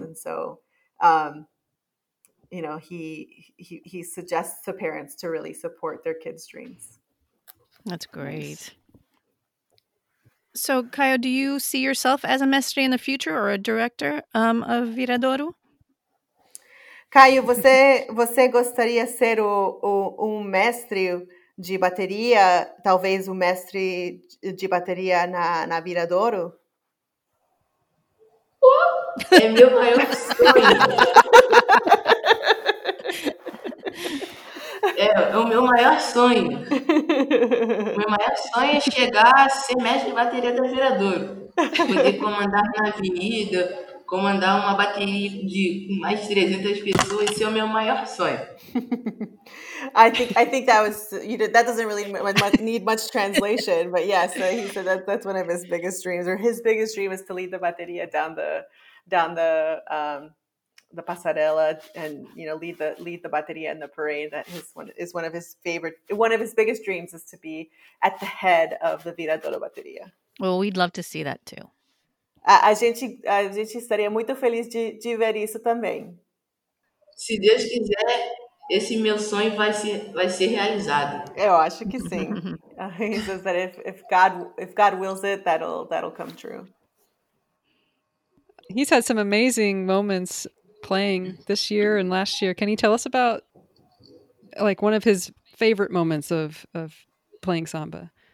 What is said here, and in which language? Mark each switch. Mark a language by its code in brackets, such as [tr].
[en] And so, you know, he suggests to parents to really support their kids' dreams. That's great. So, Caio, do you see yourself as a mestre in the future or a director of Viradouro? [pt] Caio, você gostaria de ser um mestre de bateria, talvez um mestre de bateria na Viradouro? É meu maior sonho. É o meu maior sonho. Meu maior sonho é chegar a ser mestre de bateria da Viradouro. Poder comandar na avenida, comandar uma bateria de mais de 300 pessoas, esse é o meu maior sonho. [en] I think that was, you know, that doesn't really need much translation, but yeah, so he said that that's one of his biggest dreams, or his biggest dream is to lead the bateria down the pasarela, and, you know, lead the bateria in the parade. That is one of his biggest dreams, is to be at the head of the Viradouro Bateria. Well, we'd love to see that too. [pt] A gente estaria muito feliz de ver isso também. Se Deus quiser, esse meu sonho vai ser realizado. Eu acho que sim. [en] He says that if God wills it, that'll come true. He's had some amazing moments playing this year and last year. Can you tell us about, like, one of his favorite moments of playing samba?